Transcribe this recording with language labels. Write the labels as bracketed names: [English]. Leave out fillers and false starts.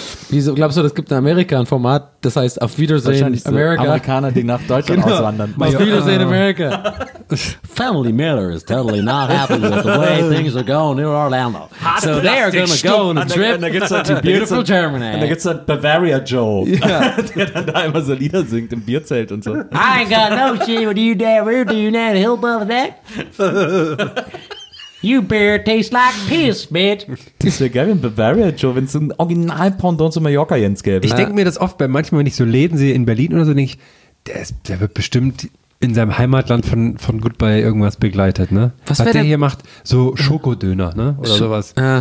[German] Wieso glaubst du, es gibt in Amerika ein Format, das heißt Auf Wiedersehen Amerika? So Amerikaner, die nach Deutschland auswandern. Auf Wiedersehen Amerika. [English] Family Miller is totally not happy with the way things are going in Orlando. So they are going to go on a trip to beautiful Germany. [German] Und da gibt es dann Bavaria Joe, der dann da immer so Lieder singt im Bierzelt und so. [English] I ain't got no shit with you, damn weird, do you know the hill above that? You beer tastes like piss, bitch. [German] Das wäre geil, wenn Bavaria Joe, wenn es ein Original-Pendant zu Mallorca-Jens gäbe. Ich denke mir das oft, bei manchmal, wenn ich so Läden sehe in Berlin oder so, denke ich, der wird bestimmt in seinem Heimatland von Goodbye irgendwas begleitet, ne? Was der hier macht, so Schokodöner, ne? Oder sowas.